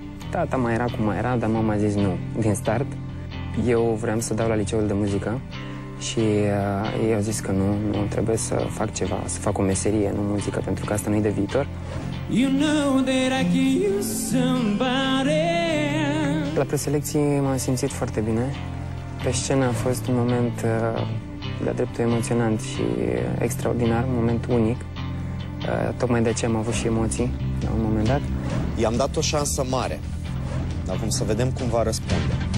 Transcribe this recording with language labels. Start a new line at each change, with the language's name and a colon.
Romanian: Tata mai era cum mai era, dar mama a zis nu, din start. Eu vreau să dau la liceul de muzică. Și ei au zis că nu trebuie să fac ceva, să fac o meserie, nu muzică, pentru că asta nu-i de viitor.
English: You know that I can use somebody.
Romanian: La preselecții m-am simțit foarte bine. Pe scenă a fost un moment de-a dreptul emoționant și extraordinar, un moment unic. Tocmai de aceea am avut și emoții la un moment dat. I-am dat o șansă mare. Acum să vedem cum va răspunde.